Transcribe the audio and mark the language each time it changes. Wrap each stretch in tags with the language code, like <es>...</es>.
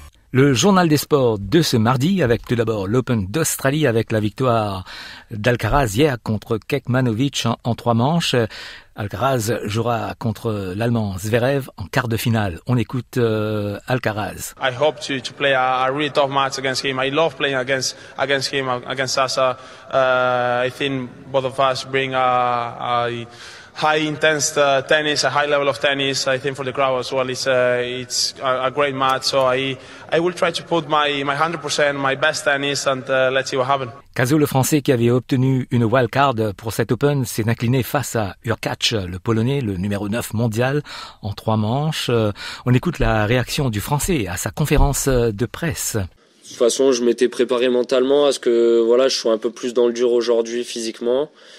<fr>Le journal des sports de ce mardi, avec tout d'abord l'Open d'Australie avec la victoire d'Alcaraz hier contre Kecmanovic en trois manches. Alcaraz jouera contre l'Allemand Zverev en quart de finale. On écoute Alcaraz.</fr> <en>I hope to play a really tough match against him. I love playing against him, against Sasa. I think both of us bring a high intense tennis, a high level of tennis. I think for the crowd as well, it's a great match. So I will try to put my 100%, my best tennis, and let's see what happens.</en> <fr>Kazo, le Français qui avait obtenu une wild card pour cet Open, s'est incliné face à Hurkacz, le Polonais, le numéro 9 mondial, en trois manches. On écoute la réaction du Français à sa conférence de presse. De toute façon, je m'étais préparé mentalement à ce que voilà, je sois un peu plus dans le dur aujourd'hui physiquement.</fr>